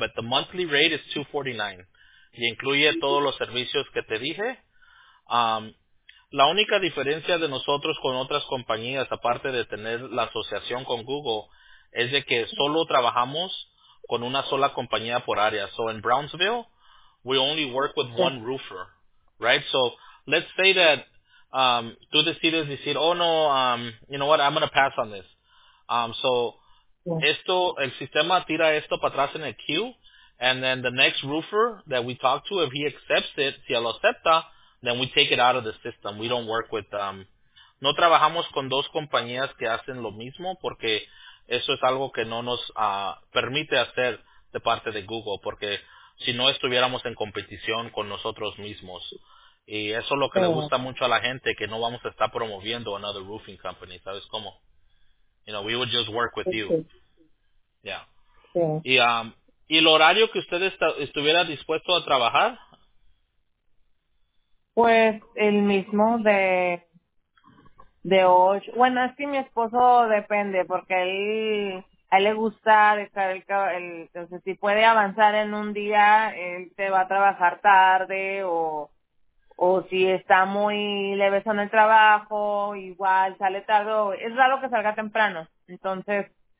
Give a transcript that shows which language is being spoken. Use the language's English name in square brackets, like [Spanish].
[English] But the monthly rate is $249, [Spanish] y incluye todos los servicios que te dije. La única diferencia de nosotros con otras compañías, aparte de tener la asociación con Google, es de que solo trabajamos con una sola compañía por área. [English] So in Brownsville, we only work with one roofer, right? So let's say that [Spanish] tú decides decir, [English] you know what, I'm going to pass on this. [Spanish] Esto, el sistema tira esto para atrás en el [English] queue, and then the next roofer that we talk to, if he accepts it, [Spanish] si él lo acepta, [English] then we take it out of the system. We don't work with, [Spanish] no trabajamos con dos compañías que hacen lo mismo, porque eso es algo que no nos permite hacer de parte de Google, porque si no estuviéramos en competición con nosotros mismos. Y eso es lo que sí. le gusta mucho a la gente, que no vamos a estar promoviendo [English] another roofing company, [Spanish] ¿sabes cómo? [English] You know, we would just work with you. [Spanish] Sí. [English] Yeah. [Spanish] Sí. ¿Y el horario que usted estuviera dispuesto a trabajar? Pues el mismo de 8. Bueno, es que mi esposo depende, porque a él le gusta dejar entonces si puede avanzar en un día, él te va a trabajar tarde o si está muy leveso en el trabajo, igual sale tarde. Es raro que salga temprano. Entonces,